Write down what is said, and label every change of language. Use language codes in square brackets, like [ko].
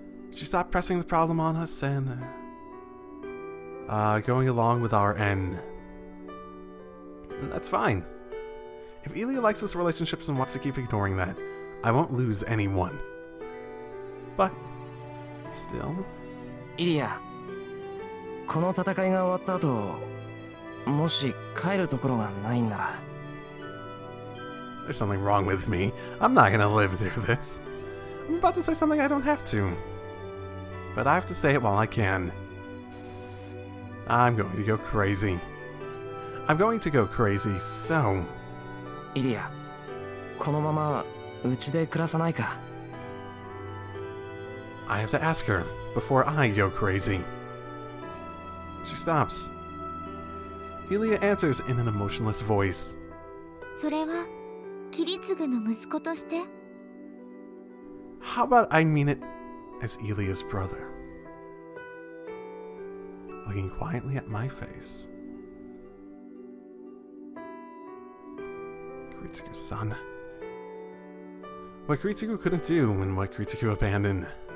[en] She stopped pressing the problem on us and going along with our end. That's fine. If Ilya likes this relationship and wants to keep ignoring that, I won't lose anyone. But still, [ja] Ilya, この戦いが終わった後、もし帰るところがないなら、 [en] there's something wrong with me. I'm not gonna live through this. I'm about to say something I don't have to. But I have to say it while I can. I'm going to go crazy. I'm going to go crazy, so... [ja] Ilya, このままうちで暮らさないか? [en] I have to ask her before I go crazy. She stops. Ilya answers in an emotionless voice. [ja] それは、キリツグの息子として? [en] How about I mean it as Ilya's brother? Looking quietly at my face. Kuritsuku's son. What Kuritsuku couldn't do and what Kuritsuku abandoned.